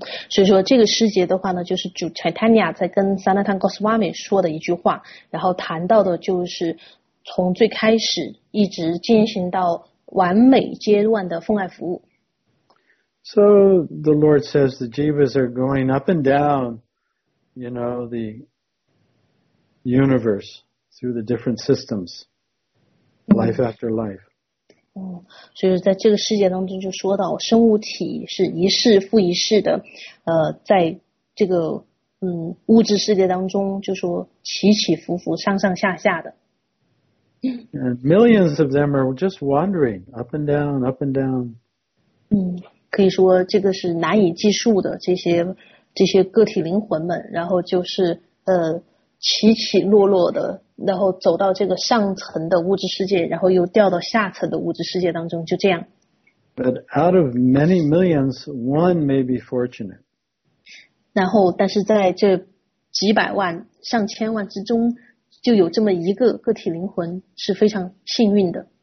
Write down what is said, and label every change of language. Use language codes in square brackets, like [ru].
[zh] 所以说这个师节的话呢，就是主 Chaitanya 在跟 Sanatan Goswami 说的一句话，然后谈到的就是从最开始一直进行到完美阶段的奉爱服务。 [en] So the Lord says the jivas are going up and down, you know, the universe through the different systems, life after life. [zh] 所以在这个世界当中就说到生物体是一世复一世的，在这个物质世界当中就说起起伏伏上上下下的。 [en] And millions of them are just wandering up and down, up and down. [zh] 可以说这个是难以计数的这些个体灵魂们，然后就是起起落落的，然后走到这个上层的物质世界，然后又掉到下层的物质世界当中，就这样。 [en] But out of many millions, one may be fortunate. [zh] 然后，但是在这几百万、上千万之中。就有这么一个个体灵魂是非常幸运的。